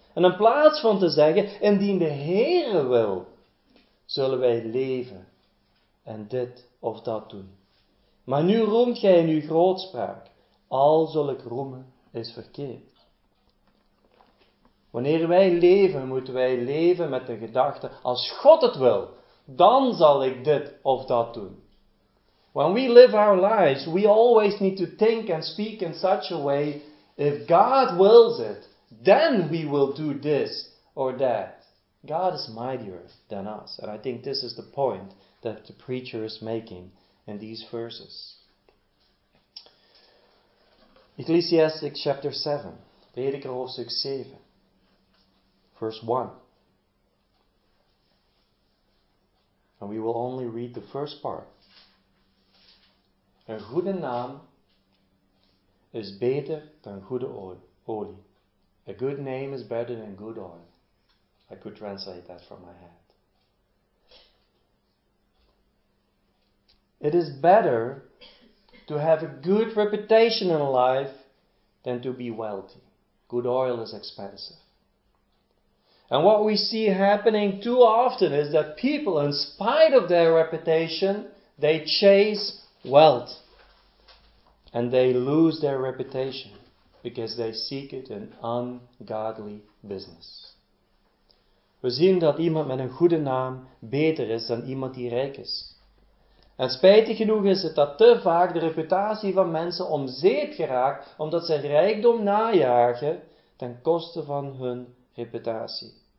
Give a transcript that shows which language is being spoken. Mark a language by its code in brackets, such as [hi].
[nl] En in plaats van te zeggen, indien de Heere wil, zullen wij leven en dit of dat doen. Maar nu roemt gij in uw grootspraak, al zal ik roemen is verkeerd. Wanneer wij leven, moeten wij leven met de gedachte, als God het wil, dan zal ik dit of dat doen. [en] When we live our lives, we always need to think and speak in such a way, if God wills it, then we will do this or that. God is mightier than us. And I think this is the point that the preacher is making in these verses. Ecclesiastes chapter 7. [nl] Prediker hoofdstuk 7. [en] Verse 1. And we will only read the first part. [nl] Een goede naam is beter dan goede olie. [en] A good name is better than good oil. I could translate that from my head. It is better to have a good reputation in life than to be wealthy. Good oil is expensive. And what we see happening too often is that people, in spite of their reputation, they chase wealth. And they lose their reputation because they seek it in ungodly business. [nl] We zien dat iemand met een goede naam beter is dan iemand die rijk is. En spijtig genoeg is het dat te vaak de reputatie van mensen om zeep geraakt, omdat ze rijkdom najagen ten koste van hun reputatie.